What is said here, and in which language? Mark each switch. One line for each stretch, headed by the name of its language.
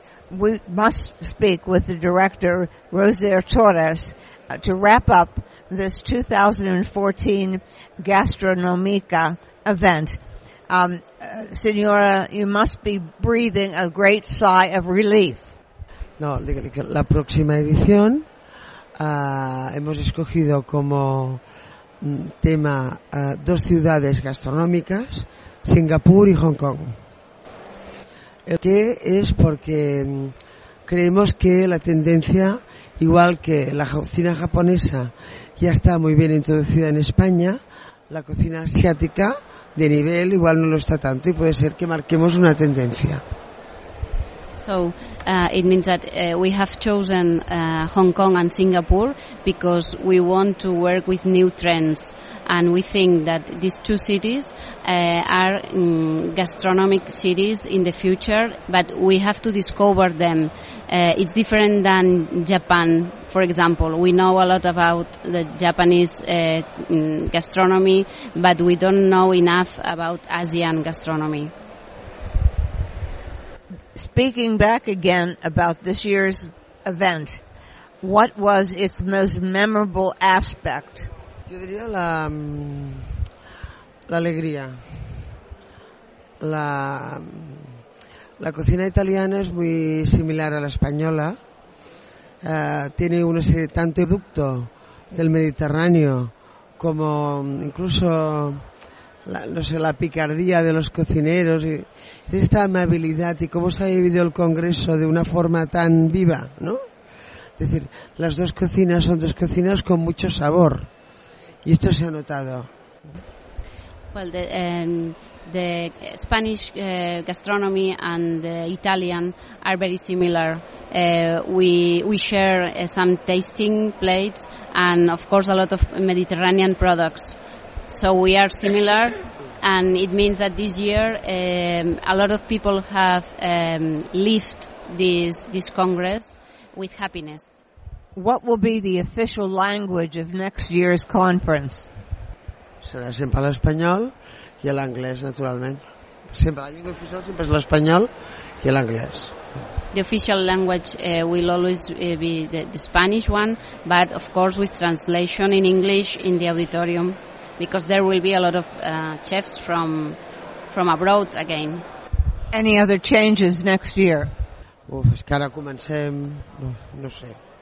English: We must speak with the director, Roser Torres, to wrap up this 2014 Gastronomica event. Signora, you must be breathing a great sigh of relief.
Spanish: No, la próxima edición hemos escogido como tema dos ciudades gastronómicas, Singapur y Hong Kong. El que es porque creemos que la tendencia, igual que la cocina japonesa ya está muy bien introducida en España, la cocina asiática de nivel igual no lo está tanto y puede ser que marquemos una tendencia.
English: So it means that we have chosen Hong Kong and Singapore because we want to work with new trends, and we think that these two cities are gastronomic cities in the future, but we have to discover them. It's different than Japan, for example. We know a lot about the Japanese gastronomy, but we don't know enough about Asian gastronomy. Speaking back again about this year's event, what was its most memorable aspect?
Spanish: Yo diría la alegría. La cocina italiana es muy similar a la española. Tiene una serie tanto producto del Mediterráneo como incluso la picardía de los cocineros y esta amabilidad y cómo se ha vivido el congreso de una forma tan viva, ¿no? Es decir, las dos cocinas son dos cocinas con mucho sabor y esto se ha notado.
English: Well, the Spanish gastronomy and the Italian are very similar. We share some tasting plates and of course a lot of Mediterranean products. So we are similar, and it means that this year a lot of people have left this Congress with happiness. What will be the official language of next year's conference?
Spanish: Será siempre el español y el inglés, naturalmente. Siempre la lengua oficial siempre es el español y el inglés.
English: The official language will always be the Spanish one, but of course with translation in English in the auditorium. Because there will be a lot of chefs from abroad again. Any other changes next year?
Catalan: Uf, és que ara comencem, no sé.